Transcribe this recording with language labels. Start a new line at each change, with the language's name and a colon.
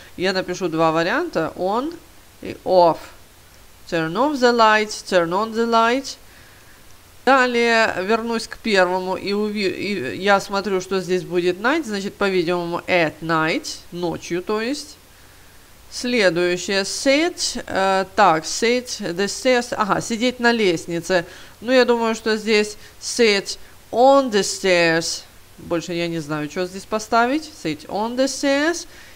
Russian: Я напишу два варианта. On и off.
English: Turn off the light, turn on the light.
Russian: Далее вернусь к первому и я смотрю, что здесь будет night, значит, по-видимому,
English: at night,
Russian: ночью, то есть. Следующее,
English: sit the stairs,
Russian: сидеть на лестнице. Ну, я думаю, что здесь
English: sit on the stairs,
Russian: больше я не знаю, что здесь поставить,
English: sit on the stairs.